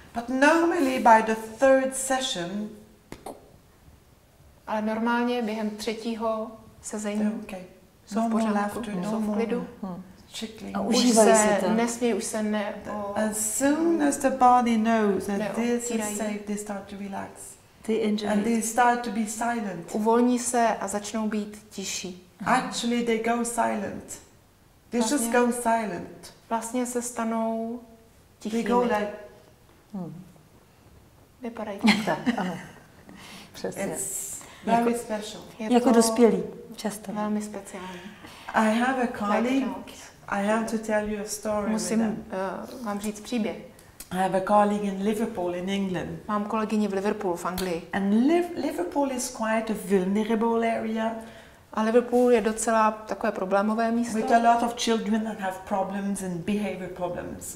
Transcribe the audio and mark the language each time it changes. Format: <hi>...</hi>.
<en>But normally by the third session...</en> <cs>Ale normálně během třetího sezení jsou v pořádku, jsou v klidu.</cs> <en>Chickling.</en> <cs>A užívají si to.</cs> <en>As soon as the body knows that this is safe, they start to relax. And they start to be silent.</en> <cs>Uvolní se a začnou být tiší.</cs> <en>Actually, they go silent. They just go silent.</en> <cs>Vlastně se stanou tichými.</cs> <en>They go like...</en> <cs>Vypadají tak. Přesně.</cs> <en>Very special.</en> <cs>Jako dospělí, často. Velmi speciální.</cs> <en>I have a colleague... I have to tell you a story.</en> <cs>Musím vám říct příběh.</cs> <en>I have a colleague in Liverpool in England.</en> <cs>Mám kolegyni v Liverpoolu v Anglii.</cs> <en>And Liverpool is quite a vulnerable area.</en> <cs>A Liverpool je docela takové problémové místo.</cs> <en>With a lot of children that have problems and behavior problems.</en>